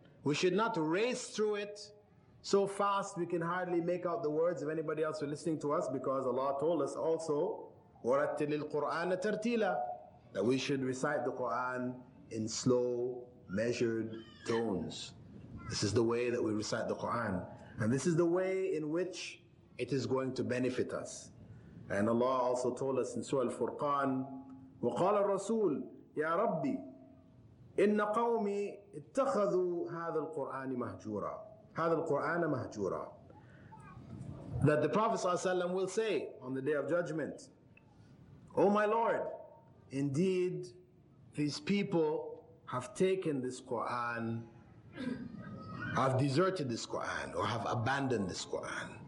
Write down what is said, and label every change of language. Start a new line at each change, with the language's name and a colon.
English: We should not race through it so fast we can hardly make out the words of anybody else who are listening to us, because Allah told us also,
Arabic: وَرَتِّلِ الْقُرْآنَ تَرْتِيلًا,
English: that we should recite the Qur'an in slow, measured tones. This is the way that we recite the Qur'an. And this is the way in which it is going to benefit us. And Allah also told us in Surah Al-Furqan,
Arabic: وَقَالَ الرَّسُولُ يَا رَبِّي إِنَّ قَوْمِي اتَّخَذُوا هَذَا الْقُرْآنِ مَهْجُورًا هَذَا الْقُرْآنَ مَهْجُورًا.
English: That the Prophet ﷺ will say on the Day of Judgment, O my Lord, indeed these people have taken this Qur'an, have deserted this Qur'an, or have abandoned this Qur'an.